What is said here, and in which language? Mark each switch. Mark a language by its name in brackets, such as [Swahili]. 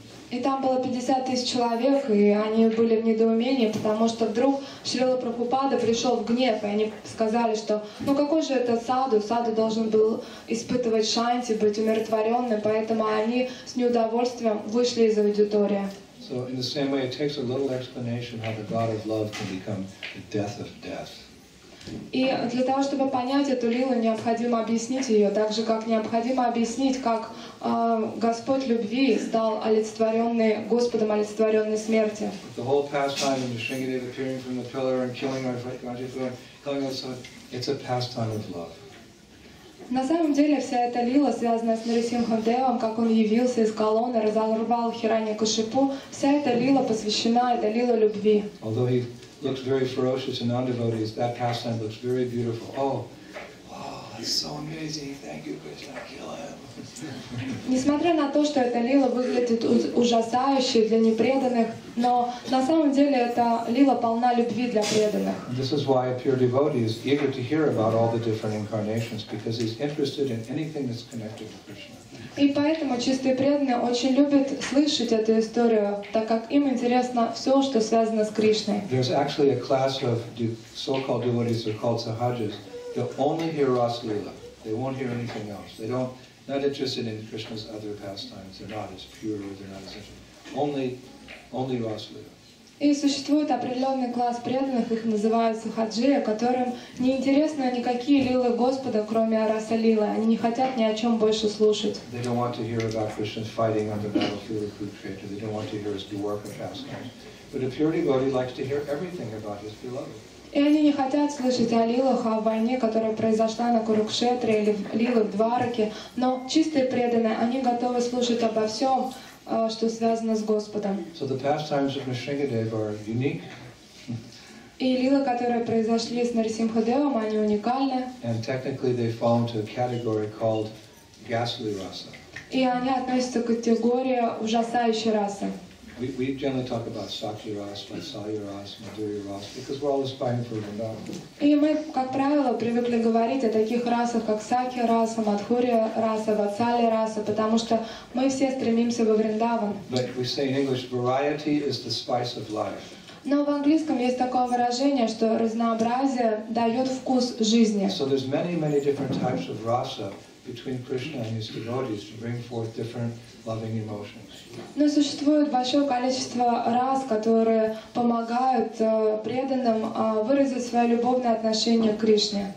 [Russian] И там было 50 тысяч человек, и они были в недоумении, потому что вдруг Шрила Прабхупада пришел в гнев, и они сказали, что ну какой же это саду? Саду должен был испытывать шанти, быть умиротворенным, поэтому они с неудовольствием вышли из аудитории. [English] So in the same way, it takes a little explanation how the God of love can become the death of death. [Russian] И для того, чтобы понять эту лилу, необходимо объяснить ее, так же, как необходимо объяснить, как Господь любви стал олицетворенный Господом олицетворенной смерти. [English] The whole pastime of Shringadeva appearing from the pillar and killing our Rajapura, killing us, it's a pastime of love. [Russian] На самом деле вся эта лила, связанная с Нарисимхадевом, как он явился из колонны, разорвал Хираньякашипу, вся эта лила посвящена, это лила любви. [English] Looks very ferocious and non-devotees, that pastime looks very beautiful. Oh, that's so amazing. Thank you, Krishna, kill him. [Russian] Несмотря на то, что эта лила выглядит ужасающе для непреданных, но на самом деле эта лила полна любви для преданных. [English] This is why a pure devotee is eager to hear about all the different incarnations, because he's interested in anything that's connected to Krishna. [Russian] И поэтому чистые преданные очень любят слышать эту историю, так как им интересно все, что связано с Кришной. [English] There's actually a class of so-called devotees, they're called sahajas. They'll only hear Rasa Lila. They won't hear anything else. They don't not interested in Krishna's other pastimes. They're not as pure, they're not as interested. Only Vasudeva. [Russian] И существует определенный класс преданных, их называют сухаджия, которым не интересны никакие лилы Господа, кроме Араса Лилы. Они не хотят ни о чем больше слушать. [English] They don't want to hear about Krishna's fighting on the battlefield of Kurukshetra. They don't want to hear his dwarka pastimes. But a pure devotee likes to hear everything about his beloved. [Russian] И они не хотят слышать о лилах, о войне, которая произошла на Курукшетре или в лилах Двараки. Но чистые преданные, они готовы слушать обо всем, что связано с Господом. [English] So the pastimes of Nrisimhadeva are unique. [Russian] И лилы, которые произошли с Нарисимхадевом, они уникальны. [English] And technically they fall into a category called ghastly rasa. [Russian] И они относятся к категории ужасающей расы. [English] We generally talk about Sakya Ras, Vatsalya Ras, Madhurya Ras, because we're all aspiring for Vrindavan. [Russian] И мы, как правило, привыкли говорить о таких расах, как Сакья Раса, Мадхурья Раса, Ватсалья Раса, потому что мы все стремимся во Вриндаван. [English] But we say in English, variety is the spice of life. [Russian] Но в английском есть такое выражение, что разнообразие дает вкус жизни. [English] So there's many, many different types of rasa between Krishna and his devotees to bring forth different loving emotions. [Russian] Но существует большое количество рас, которые помогают преданным выразить свое любовное отношение к Кришне.